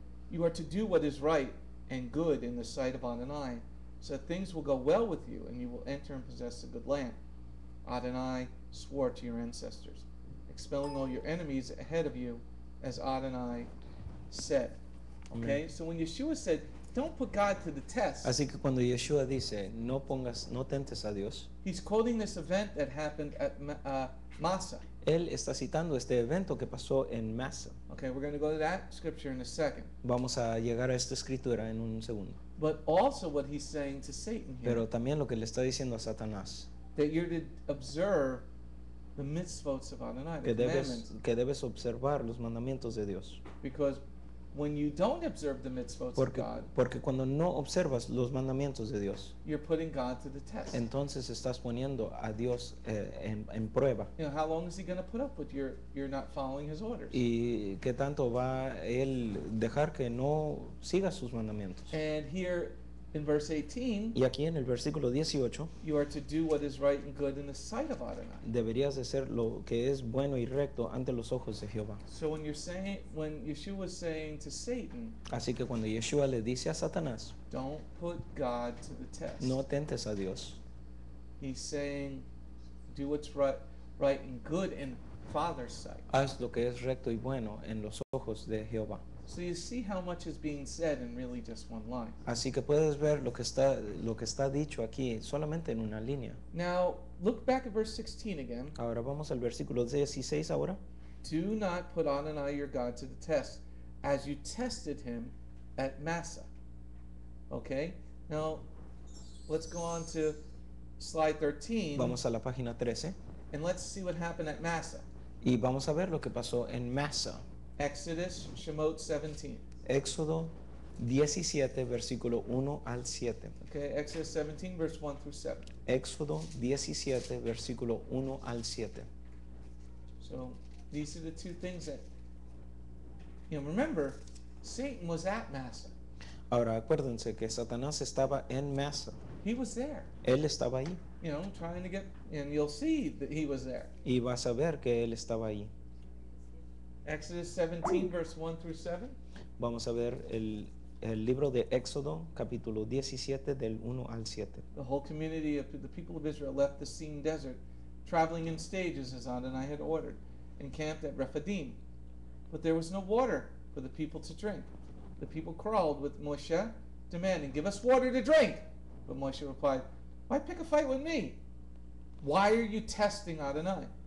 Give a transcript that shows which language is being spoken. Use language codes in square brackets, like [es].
[en] You are to do what is right and good in the sight of Adonai, so that things will go well with you and you will enter and possess a good land. Adonai swore to your ancestors, expelling all your enemies ahead of you, as Adonai said. Amen. Okay, so when Yeshua said, don't put God to the test. [es] Así que cuando Yeshua dice, no pongas, no tentes a Dios. [en] He's quoting this event that happened at Massah. [es] Él está citando este evento que pasó en Massah. [en] Okay, we're going to go to that scripture in a second. [es] Vamos a llegar a esta escritura en un segundo. [en] But also what he's saying to Satan here. [es] Pero también lo que le está diciendo a Satanás. [en] That you're to observe the mitzvot of Adonai, the commandments. [es] Que debes observar los mandamientos de Dios. [en] Because When you don't observe the mitzvot [es] porque, [en] of God, [es] porque cuando no observas los mandamientos de Dios, [en] you're putting God to the test. [es] Entonces estás poniendo a Dios en prueba. [en] You know, how long is he going to put up with you're not following his orders? [es] ¿Y qué tanto va él dejar que no sigas sus mandamientos? [en] And here in verse 18, [es] y aquí en el versículo 18, [en] you are to do what is right and good in the sight of Adonai. [es] Deberías de hacer lo que es bueno y recto ante los ojos de Jehová. [en] So when you're saying, when Yeshua was saying to Satan, [es] así que cuando Yeshua le dice a Satanás, [en] don't put God to the test. [es] No tentes a Dios. [en] He's saying, do what's right and good in Father's sight. [es] Haz lo que es recto y bueno en los ojos de Jehová. [en] So you see how much is being said in really just one line. [es] Así que puedes ver lo que está dicho aquí solamente en una línea. [en] Now look back at verse 16 again. [es] Ahora vamos al versículo 16 ahora. [en] Do not put Adonai your God to the test, as you tested him at Massa. Okay. Now let's go on to slide 13. [es] Vamos a la página 13. [en] And let's see what happened at Massa. [es] Y vamos a ver lo que pasó en Massa. [en] Exodus Shemot 17. [es] Éxodo 17, versículo 1 al 7. [en] Okay, Exodus 17, verse 1 through 7. [es] Éxodo 17, versículo 1 al 7. [en] So, these are the two things that, you know, remember, Satan was at Massa. [es] Ahora, acuérdense que Satanás estaba en Massa. [en] He was there. [es] Él estaba ahí. [en] You know, trying to get, and you'll see that he was there. [es] Y vas a ver que él estaba ahí. [en] Exodus 17, verse 1 through 7. [es] Vamos a ver el libro de Éxodo, capítulo 17, del 1 al 7. [en] The whole community of the people of Israel left the Sin desert, traveling in stages as Adonai had ordered, and camped at Rephidim. But there was no water for the people to drink. The people quarreled with Moshe, demanding, "Give us water to drink." But Moshe replied, "Why pick a fight with me? Why are you testing Adonai?"